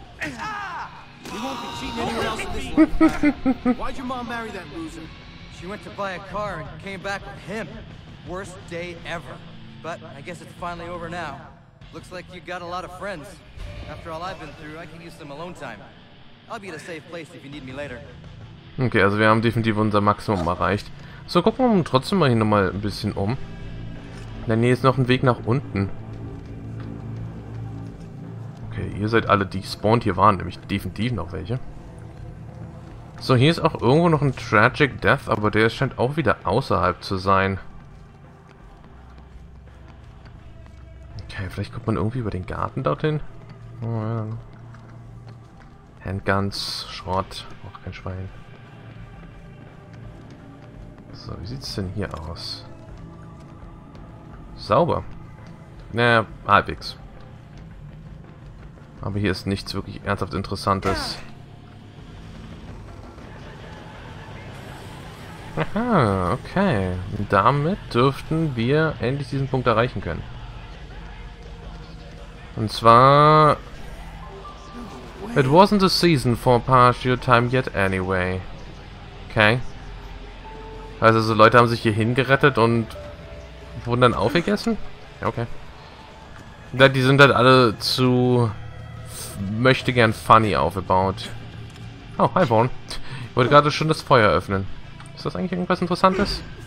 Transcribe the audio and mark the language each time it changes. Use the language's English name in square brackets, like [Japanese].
[English] You won't be cheating anyone else in this one. Why'd your mom marry that loser? She went to buy a car and came back with him. Worst day ever. But I guess it's finally over now. Looks like you got a lot of friends. After all I've been through, I can use some alone time. I'll be at a safe place if you need me later. [German] Okay, also wir haben definitiv unser Maximum erreicht. So, gucken wir trotzdem mal hier nochmal ein bisschen um. In der Nähe ist noch ein Weg nach unten. Okay, ihr seid alle, die gespawnt hier waren, nämlich definitiv noch welche. So, hier ist auch irgendwo noch ein Tragic Death, aber der scheint auch wieder außerhalb zu sein. Okay, vielleicht kommt man irgendwie über den Garten dorthin. Oh, ja. Handguns, Schrott, auch kein Schwein. So, wie sieht's denn hier aus? Sauber. Naja, halbwegs. Aber hier ist nichts wirklich ernsthaft Interessantes. Aha, okay. Damit dürften wir endlich diesen Punkt erreichen können. Und zwar... [English] It wasn't a season for partial time yet anyway. Okay. [German] Also, so Leute haben sich hier hingerettet und wurden dann aufgegessen? Ja, okay. Die sind halt alle zu möchte gern funny aufgebaut. Oh, hi, Vaughn. Ich wollte gerade schon das Feuer öffnen. Ist das eigentlich irgendwas Interessantes?